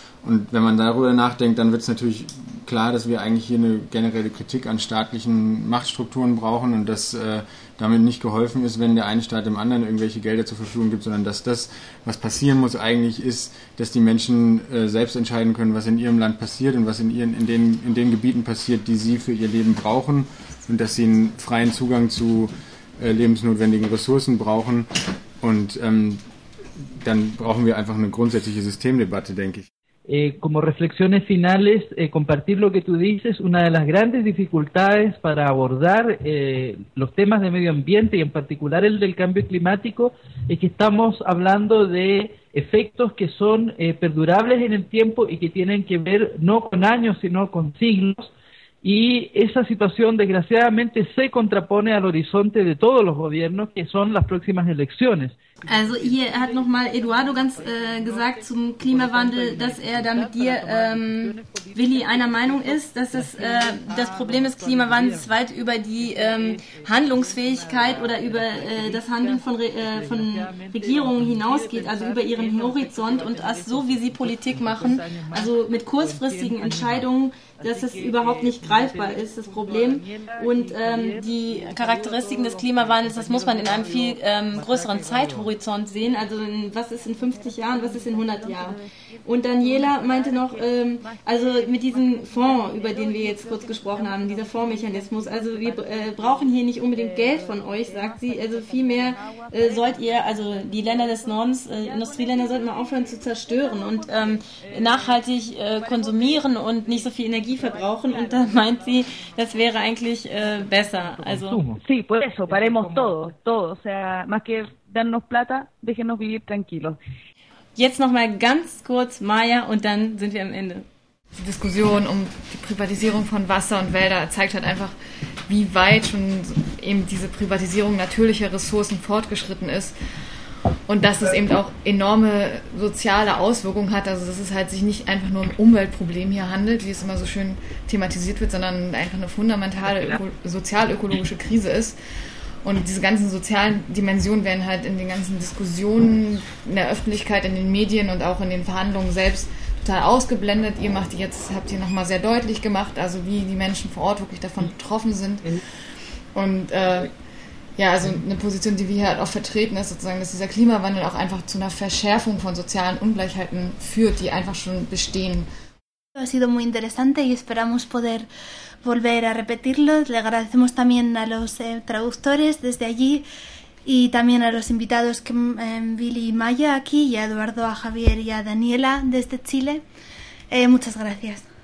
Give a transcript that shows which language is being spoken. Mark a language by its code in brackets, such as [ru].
[de] Und wenn man darüber nachdenkt, dann wird es natürlich klar, dass wir eigentlich hier eine generelle Kritik an staatlichen Machtstrukturen brauchen und dass damit nicht geholfen ist, wenn der eine Staat dem anderen irgendwelche Gelder zur Verfügung gibt, sondern dass das, was passieren muss, eigentlich ist, dass die Menschen selbst entscheiden können, was in ihrem Land passiert und was in den Gebieten passiert, die sie für ihr Leben brauchen und dass sie einen freien Zugang zu lebensnotwendigen Ressourcen brauchen. Und dann brauchen wir einfach eine grundsätzliche Systemdebatte, denke ich. [es] Como reflexiones finales, compartir lo que tú dices, una de las grandes dificultades para abordar los temas de medio ambiente y en particular el del cambio climático es que estamos hablando de efectos que son perdurables en el tiempo y que tienen que ver no con años sino con siglos y esa situación desgraciadamente se contrapone al horizonte de todos los gobiernos que son las próximas elecciones. [de] Also hier hat nochmal Eduardo ganz gesagt zum Klimawandel, dass er da mit dir, Willi, einer Meinung ist, dass es das Problem des Klimawandels weit über die Handlungsfähigkeit oder über das Handeln von Regierungen hinausgeht, also über ihren Horizont und als so, wie sie Politik machen, also mit kurzfristigen Entscheidungen, dass es überhaupt nicht greifbar ist, das Problem. Und die Charakteristiken des Klimawandels, das muss man in einem viel größeren Zeithorizont sehen. Also was ist in 50 Jahren, was ist in 100 Jahren? Und Daniela meinte noch, also mit diesem Fonds, über den wir jetzt kurz gesprochen haben, dieser Fondsmechanismus, also wir brauchen hier nicht unbedingt Geld von euch, sagt sie. Also vielmehr sollt ihr, also die Länder des Nordens, Industrieländer, sollten mal aufhören zu zerstören und nachhaltig konsumieren und nicht so viel Energie verbrauchen und dann meint sie, das wäre eigentlich besser. Also [es] sí, por eso, paremos todo, o sea, más que darnos plata, déjenos vivir tranquilos. [de] Jetzt noch mal ganz kurz Maya und dann sind wir am Ende. Die Diskussion um die Privatisierung von Wasser und Wälder zeigt halt einfach, wie weit schon eben diese Privatisierung natürlicher Ressourcen fortgeschritten ist. Und dass es eben auch enorme soziale Auswirkungen hat, also dass es halt sich nicht einfach nur um Umweltproblem hier handelt, wie es immer so schön thematisiert wird, sondern einfach eine fundamentale sozialökologische Krise ist. Und diese ganzen sozialen Dimensionen werden halt in den ganzen Diskussionen in der Öffentlichkeit, in den Medien und auch in den Verhandlungen selbst total ausgeblendet. Ihr macht jetzt, habt ihr nochmal sehr deutlich gemacht, also wie die Menschen vor Ort wirklich davon betroffen sind. Und ja, also eine Position, die wir hier halt auch vertreten, ist sozusagen, dass dieser Klimawandel auch einfach zu einer Verschärfung von sozialen Ungleichheiten führt, die einfach schon bestehen. [es] Ha sido muy interesante y esperamos poder volver a repetirlo. Le agradecemos también a los traductores desde allí y también a los invitados que Billy y Maya aquí y a Eduardo, a Javier y a Daniela desde Chile. Muchas gracias.